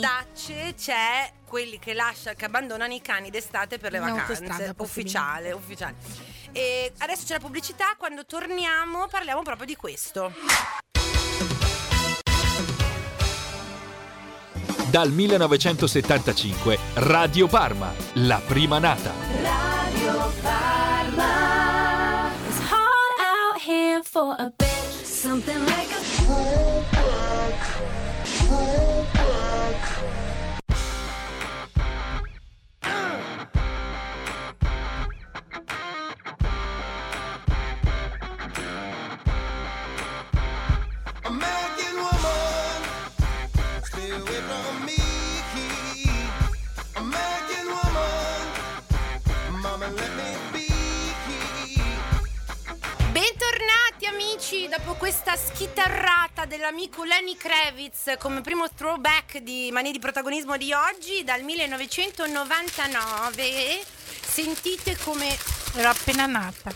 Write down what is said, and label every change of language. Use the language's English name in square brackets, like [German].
[Italian] Dacce c'è quelli che abbandonano i cani d'estate per le vacanze. Ufficiale. E adesso c'è la pubblicità. Quando torniamo, parliamo proprio di questo. Dal 1975, Radio Parma, la prima nata. Radio Parma. [English] It's hard out here for a bitch. Something like a fallback. From me, American woman, my [Italian] Bentornati amici dopo questa schitarrata dell'amico Lenny Kravitz come primo throwback di Mania di Protagonismo di oggi dal 1999. Sentite come... Ero appena nata.